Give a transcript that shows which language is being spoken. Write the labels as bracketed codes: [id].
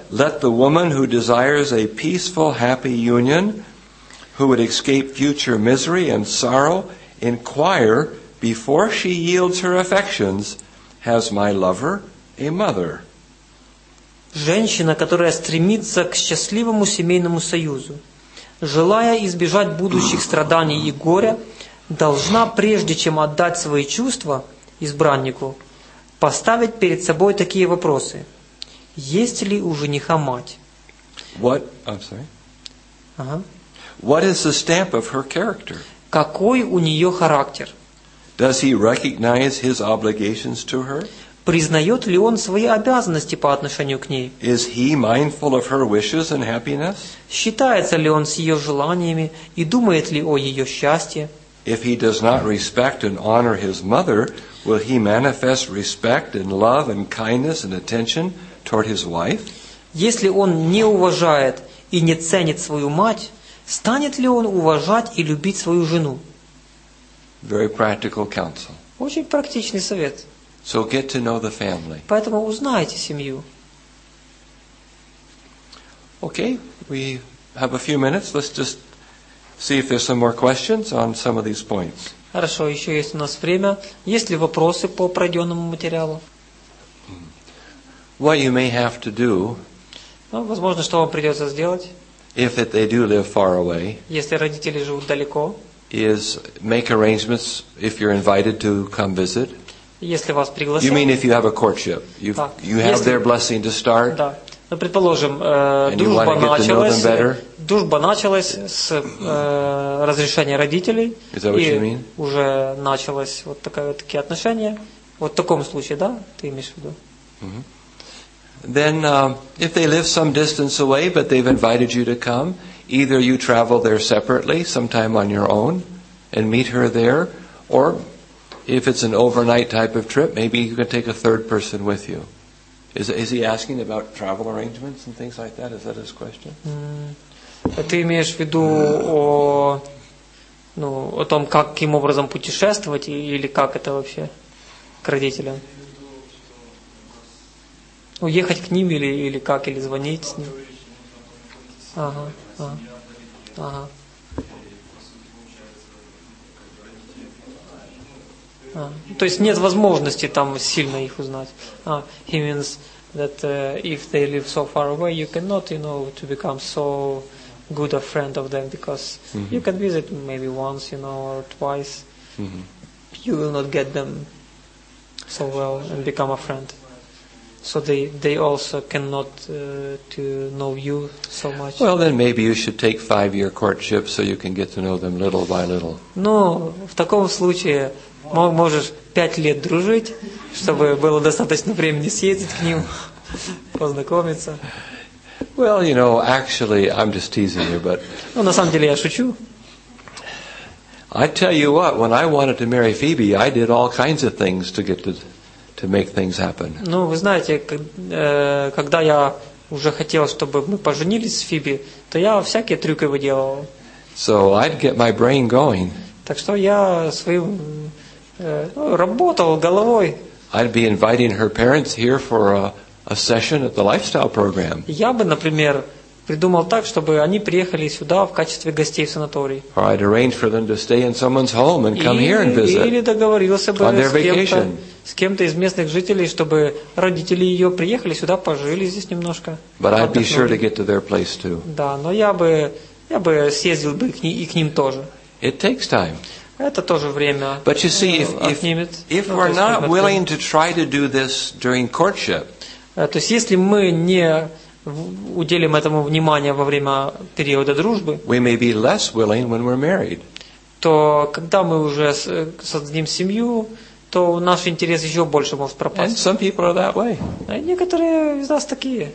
[en] Let the woman who desires a peaceful, happy union, who would escape future misery and sorrow, inquire before she yields her affections, has my lover a mother? [ru] Женщина, которая стремится к счастливому семейному союзу, желая избежать будущих страданий и горя, должна, прежде чем отдать свои чувства избраннику, поставить перед собой такие вопросы. Есть ли у жениха мать? [en] What? I'm sorry. Uh-huh. What is the stamp of her character? [ru] Какой у нее характер? [en] Does he recognize his obligations to her? [ru] Признает ли он свои обязанности по отношению к ней? [en] Is he mindful of her wishes and happiness? [ru] Считается ли он с ее желаниями и думает ли о ее счастье? [en] If he does not respect and honor his mother, will he manifest respect and love and kindness and attention toward his wife? [ru] Если он не уважает и не ценит свою мать, станет ли он уважать и любить свою жену? [en] Very practical counsel. [ru] Очень практичный совет. [en] So get to know the family. [ru] Поэтому узнайте семью. [en] Okay, we have a few minutes. Let's just see if there's some more questions on some of these points. [ru] Хорошо, еще есть у нас время. Есть ли вопросы по пройденному материалу? [en] What you may have to do, [ru] ну, возможно, что вам придется сделать, [en] if they do live far away, [ru] если родители живут далеко, [en] is make arrangements if you're invited to come visit. [ru] Если вас пригласят. [en] You mean if you have a courtship. You have their blessing to start. [ru] Да. Ну, предположим, дружба началась, с разрешения родителей. [en] Is that what [ru] и [en] you mean? [ru] Уже началось вот такое, такие отношения. Вот в таком случае, да, ты имеешь в виду? Mm-hmm. [en] Then, if they live some distance away, but they've invited you to come, either you travel there separately, sometime on your own, and meet her there, or if it's an overnight type of trip, maybe you can take a third person with you. Is he asking about travel arrangements and things like that? Is that his question? [ru] Ты имеешь в виду о том, каким образом путешествовать или как это вообще к родителям? Уехать к ним или как, или звонить с ним? Ага. То есть нет возможности там сильно их узнать. [en] He means that if they live so far away, you cannot, you know, to become so good a friend of them, because mm-hmm. you can visit maybe once, you know, or twice. Mm-hmm. you will not get them so well and become a friend. So they also cannot to know you so much. Well, then maybe you should take 5-year courtship so you can get to know them little by little. [ru] Но в таком случае можешь 5 лет дружить, чтобы было достаточно времени съездить к ним, познакомиться. [en] Well, you know, actually, I'm just teasing you, but... [ru] Ну, на самом деле, я шучу. [en] I tell you what, when I wanted to marry Phoebe, I did all kinds of things to get to make things happen. [ru] Ну, вы знаете, когда я уже хотел, чтобы мы поженились с Фиби, то я всякие трюки выделывал. [en] So I'd get my brain going. [ru] Так что я своим работал головой. [en] I'd be inviting her parents here for a session at the lifestyle program. [ru] Я бы, например, придумал так, чтобы они приехали сюда в качестве гостей в санатории. [en] Or I'd arrange for them to stay in someone's home and come here and visit. [ru] Или договорился бы с кем-то из местных жителей, чтобы родители ее приехали сюда, пожили здесь немножко. [en] But I'd be sure to get to their place too. [ru] Да, но я бы съездил бы и к ним тоже. [en] It takes time. [ru] Это тоже время. [en] But you see, if we're not willing to try to do this during courtship. [ru] То есть если мы не уделим этому внимания во время периода дружбы, [en] we may be less willing when we're married. [ru] То когда мы уже создадим семью, то наш интерес еще больше может пропасть. [en] And some people are that way. А некоторые из нас такие.